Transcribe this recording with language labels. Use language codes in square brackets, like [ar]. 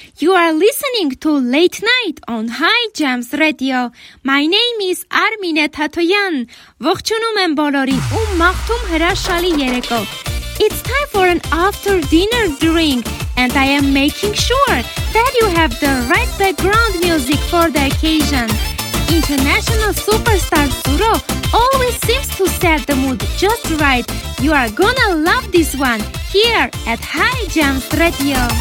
[en] You are listening to Late Night on High Jams Radio. My name is Armine Tatoyan. [hy] Ողջունում եմ բոլորին ու մաղթում հրաշալի երեկով. [en] It's time for an after dinner drink and I am making sure that you have the right background music for the occasion. International superstar Zuro always seems to set the mood just right. You are gonna love this one here at High Jams Radio.